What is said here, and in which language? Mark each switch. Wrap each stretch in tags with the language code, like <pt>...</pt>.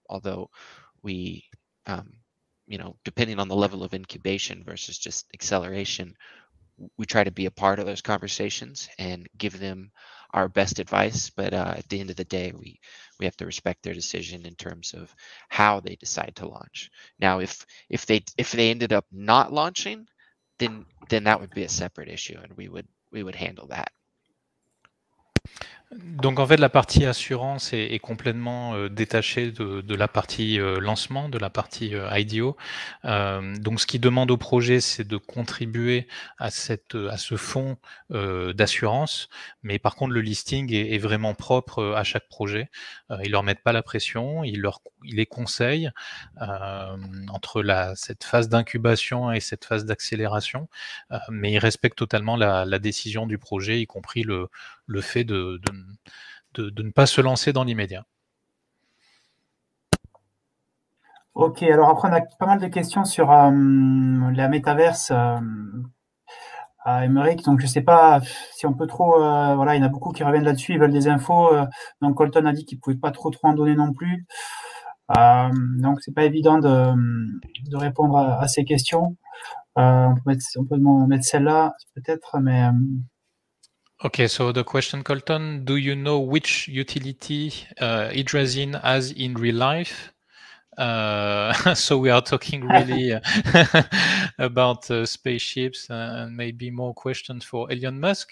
<en>Although we, depending on the level of incubation versus just acceleration, we try to be a part of those conversations and give them our best advice. But at the end of the day, we have to respect their decision in terms of how they decide to launch. Now, if they ended up not launching, then that would be a separate issue, and we would handle that.</en> <fr>Donc en fait, la partie assurance est complètement détachée de la partie lancement, de la partie IDEO. Donc ce qui demande au projet, c'est de contribuer à ce fonds d'assurance. Mais par contre, le listing est vraiment propre à chaque projet. Ils ne leur mettent pas la pression, ils les conseillent entre cette phase d'incubation et cette phase d'accélération. Mais ils respectent totalement la décision du projet, y compris le fait de ne pas se lancer dans l'immédiat. Ok, alors après, on a pas mal de questions sur la métaverse à Emeric. Donc, je ne sais pas si on peut trop. Voilà, il y en a beaucoup qui reviennent là-dessus, ils veulent des infos. Donc, Colton a dit qu'il ne pouvait pas trop en donner non plus. Donc, ce n'est pas évident de répondre à ces questions. On peut mettre celle-là, peut-être, mais.</fr> <en>Okay, so the question, Colton, do you know which utility Idrazine has in real life? So we are talking really about spaceships and maybe more questions for Elon Musk.</en>